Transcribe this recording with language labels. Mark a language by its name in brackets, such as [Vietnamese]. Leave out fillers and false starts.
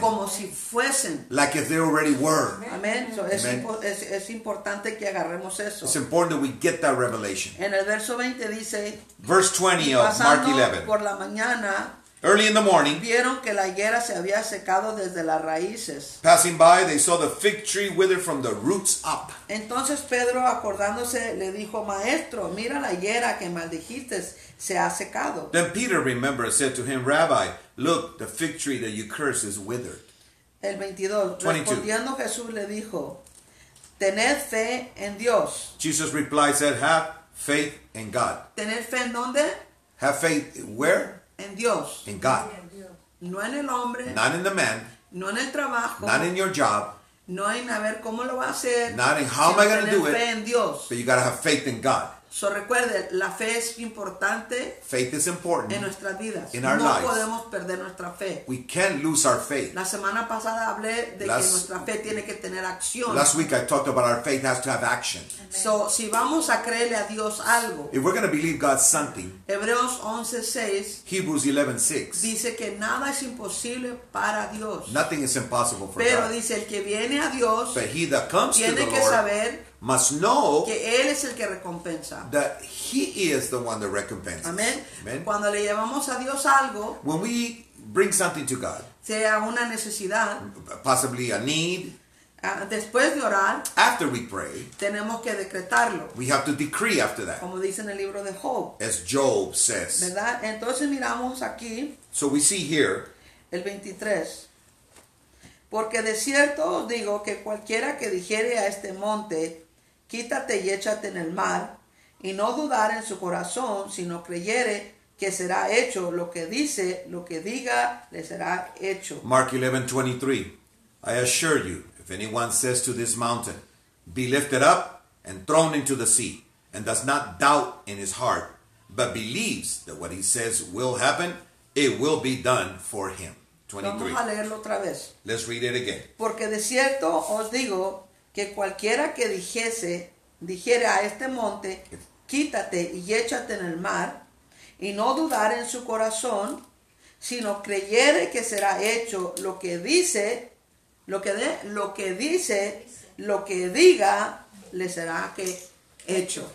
[Spanish] como si fuesen. [English] Like if they already were. [Spanish] Amen. Amen. So es importante que agarremos eso. [English] It's important that we get that revelation. [Spanish] En el verso 20 dice, [English] verse 20 of Mark 11. [Spanish] Por la mañana, [English] early in the morning, [Spanish] vieron que la higuera se había secado desde las raíces. [English] Passing by, they saw the fig tree withered from the roots up. [Spanish] Entonces Pedro, acordándose, le dijo, Maestro, mira la higuera que maldijiste, se ha secado. [English] Then Peter remembered and said to him, Rabbi, look, the fig tree that you cursed is withered. [Spanish] El 22. 22. Respondiendo Jesús le dijo, Tened fe en Dios. [English] Jesus replied, said, have faith in God. [Spanish] ¿Tener fe en dónde? [English] Have faith where? [Spanish] En Dios. [English] In God. [Spanish] No en el hombre. [English] Not in the man. [Spanish] No en el trabajo. [English] Not in your job. [Spanish] No en a ver cómo lo va a hacer. [English] Not in how am I going to do it. [Spanish] Fe en Dios. [English] But you got to have faith in God. [Spanish] So recuerde, la fe es importante. [English] Faith is important. [Spanish] En nuestras vidas. [English] In our [Spanish] no [English] lives. [Spanish] Podemos perder nuestra fe. [English] We can't lose our faith. [Spanish] La semana pasada hablé de que nuestra fe tiene que tener acción. [English] Last week I talked about our faith has to have action. [Spanish] Amen. So si vamos a creerle a Dios algo. [English] If we're going to believe God something. [Spanish] Hebreos 11:6. [English] Hebrews 11:6. [Spanish] Dice que nada es imposible para Dios. [English] Nothing is impossible for [Spanish] Pero [English] God. [Spanish] Dice el que viene a Dios. [English] But he that comes [Spanish] tiene [English] to the [Spanish] que [English] Lord, [Spanish] saber. [English] Must know [Spanish] que él es el que recompensa. [English] That he is the one that recompenses. Amen. Amen. [Spanish] Cuando le llevamos a Dios algo, [English] when we bring something to God, [Spanish] sea una necesidad, [English] possibly a need, [Spanish] después de orar, [English] after we pray, [Spanish] tenemos que decretarlo. [English] We have to decree after that. [Spanish] Como dice en el libro de Job. [English] As Job says. [Spanish] ¿Verdad? Entonces miramos aquí. [English] So we see here. [Spanish] El 23. Porque de cierto os digo que cualquiera que dijere a este monte, quítate y échate en el mar, y no dudare en su corazón, sino creyere que será hecho lo que dice, lo que diga, le será hecho. [English] Mark 11:23. I assure you, if anyone says to this mountain, be lifted up and thrown into the sea, and does not doubt in his heart, but believes that what he says will happen, it will be done for him. 23. [Spanish] Vamos a leerlo otra vez. [English] Let's read it again. [Spanish] Porque de cierto os digo que cualquiera que dijere a este monte, quítate y échate en el mar, y no dudare en su corazón, sino creyere que será hecho lo que dice, lo que diga, le será que hecho.